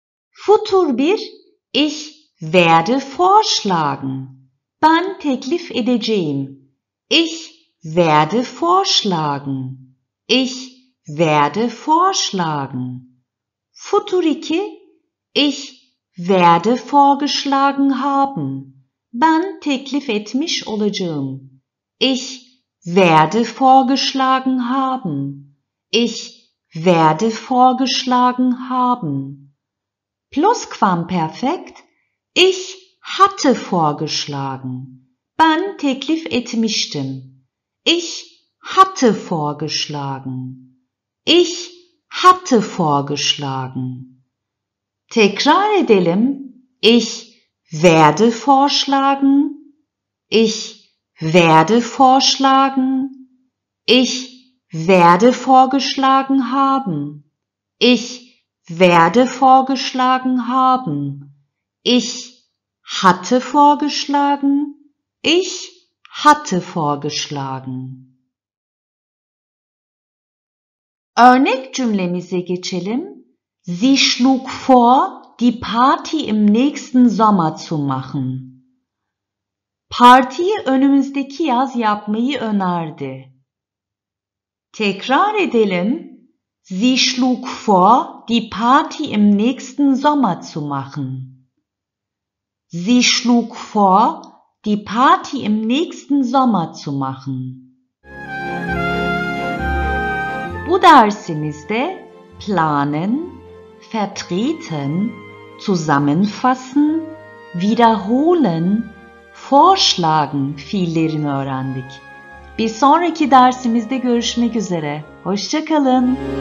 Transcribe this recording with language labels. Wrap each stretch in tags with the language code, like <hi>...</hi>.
<de>Futur bir, ich werde vorschlagen.</de> <tr>Ben teklif edeceğim.</tr> <de>Ich werde vorschlagen. Ich werde vorschlagen.</de> <tr>Futur iki,</tr> <de>ich werde vorgeschlagen haben.</de> <tr>Ben teklif etmiş olacağım.</tr> <de>Ich werde vorgeschlagen haben. Ich werde vorgeschlagen haben. Plusquamperfekt. Ich hatte vorgeschlagen.</de> <tr>Ben teklif etmiştim.</tr> <de>Ich hatte vorgeschlagen. Ich hatte vorgeschlagen.</de> <tr>Tekrar edelim.</tr> <de>Ich werde vorschlagen. Ich werde vorschlagen. Ich werde vorgeschlagen haben. Ich werde vorgeschlagen haben. Ich hatte vorgeschlagen. Ich hatte vorgeschlagen.</de> <tr>Örnek cümlemize geçelim.</tr> <de>Sie schlug vor, die Party im nächsten Sommer zu machen.</de> <tr>Partiyi önümüzdeki yaz yapmayı önerdi. Tekrar edelim.</tr> <de>Sie schlug vor, die Party im nächsten Sommer zu machen. Sie schlug vor, die Party im nächsten Sommer zu machen.</de> <tr>Bu dersimizde planen, vertreten, zusammenfassen, wiederholen, vorschlagen fiillerini öğrendik. Bir sonraki dersimizde görüşmek üzere. Hoşça kalın.</tr>